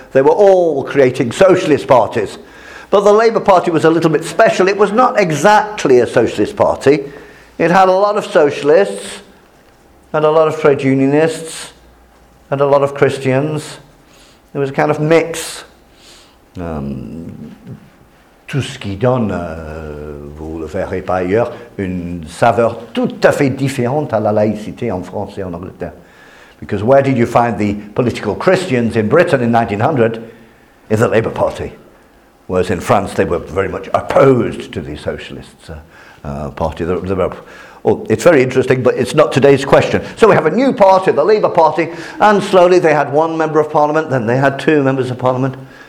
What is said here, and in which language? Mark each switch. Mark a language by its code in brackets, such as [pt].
[en] They were all creating socialist parties. But the Labour Party was a little bit special. It was not exactly a socialist party. It had a lot of socialists and a lot of trade unionists and a lot of Christians. It was a kind of mix. [fr] Tout ce qui donne, vous le verrez pas ailleurs, une saveur tout à fait différente à la laïcité en France et en Angleterre. [en] Because where did you find the political Christians in Britain in 1900? In the Labour Party. Whereas in France, they were very much opposed to the Socialists party. It's very interesting, but it's not today's question. So we have a new party, the Labour Party, and slowly they had one member of parliament, then they had two members of parliament.